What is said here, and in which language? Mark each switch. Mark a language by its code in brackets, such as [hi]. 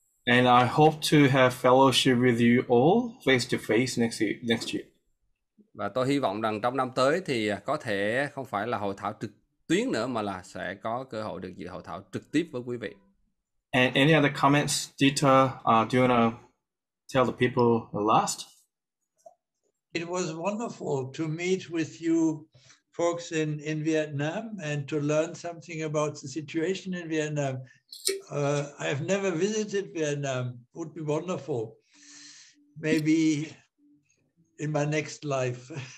[en] And I hope to have fellowship with you all face to face next year. [vi] Và tôi hy vọng rằng trong năm tới thì có thể không phải là hội thảo trực tuyến nữa, mà là sẽ có cơ hội được dự hội thảo trực tiếp với quý vị. [en] And any other comments, Dieter? Do you want to tell the people the last? It was wonderful to meet with you folks in Vietnam and to learn something about the situation in Vietnam. I have never visited Vietnam. It would be wonderful. Maybe in my next life.